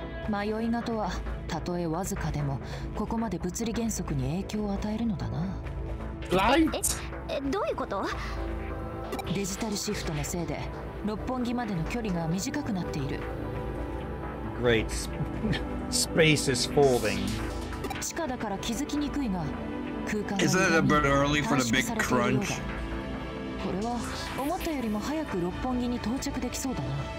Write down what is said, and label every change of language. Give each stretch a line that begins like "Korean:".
Japanese: 迷いがとはたとえわずかでもここまで物理原則に影響を与えるのだな。ライト！どういうこと？デジタルシフトのせいで六本木までの距離が短くなっている。
English: Great. Space is falling.
Japanese: 地下だから気づきにくいが、
English: Is that a bit early for the big crunch?
Japanese: これは思ったよりも早く六本木に到着できそうだな。